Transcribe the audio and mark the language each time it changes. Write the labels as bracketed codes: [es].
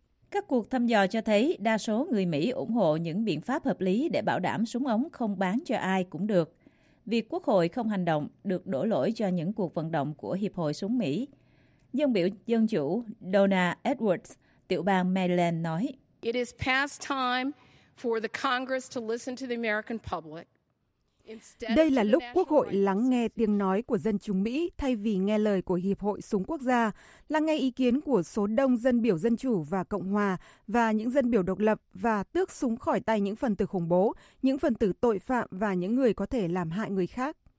[vi] Các cuộc thăm dò cho thấy đa số người Mỹ ủng hộ những biện pháp hợp lý để bảo đảm súng ống không bán cho ai cũng được. Việc Quốc hội không hành động được đổ lỗi cho những cuộc vận động của Hiệp hội Súng Mỹ. Dân biểu Dân Chủ Donna Edwards, tiểu bang Maryland, nói: [en] It is past time for the Congress to listen to the American public. [vi] Đây là lúc Quốc hội lắng nghe tiếng nói của dân chúng Mỹ thay vì nghe lời của Hiệp hội Súng Quốc gia, lắng nghe ý kiến của số đông dân biểu Dân Chủ và Cộng Hòa và những dân biểu độc lập và tước súng khỏi tay những phần tử khủng bố, những phần tử tội phạm và những người có thể làm hại người khác.